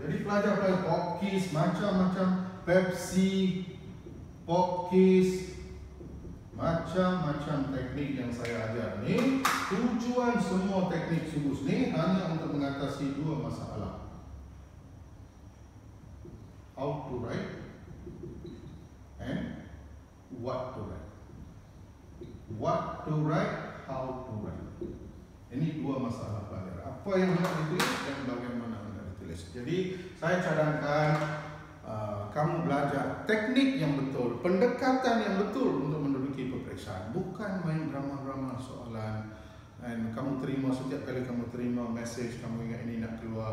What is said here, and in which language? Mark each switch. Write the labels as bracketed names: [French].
[Malay] Jadi pelajar-pelajar popkis, macam-macam Pepsi, popkis, macam-macam teknik yang saya ajar ni. Tujuan semua teknik sulus ni hanya untuk mengatasi dua masalah. [English] How to write and what to write. What to write, how to write. [Malay] Ini dua masalah belajar. Apa yang hendak ditulis dan bagaimana hendak ditulis. Jadi saya cadangkan kamu belajar teknik yang betul, pendekatan yang betul untuk menduduki peperiksaan. Bukan main drama-drama soalan. And kamu terima, setiap kali kamu terima message, kamu ingat ini nak keluar.